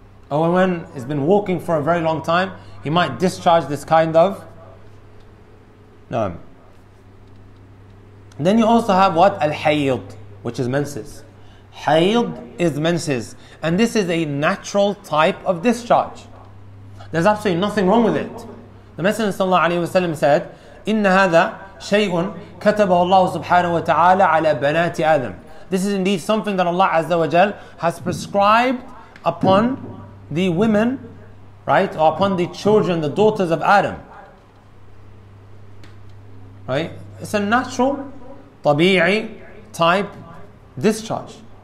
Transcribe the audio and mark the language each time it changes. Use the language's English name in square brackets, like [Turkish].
[English] A woman has been walking for a very long time, he might discharge this kind of... No. Then you also have what? Al-hayyid, which is menses. Hayyid is menses. And this is a natural type of discharge. There's absolutely nothing wrong with it. The Messenger sallallahu alayhi wa sallam said, [Arabic] إِنَّ هَذَا شَيْءٌ كَتَبَهُ اللَّهُ سُبْحَانَهُ وَتَعَالَى عَلَى بَنَاتِ آدَمٍ. [English] This is indeed something that Allah Azza wa Jal has prescribed upon the women, right? Or upon the children, the daughters of Adam. Right? It's a natural, tabi'i type discharge.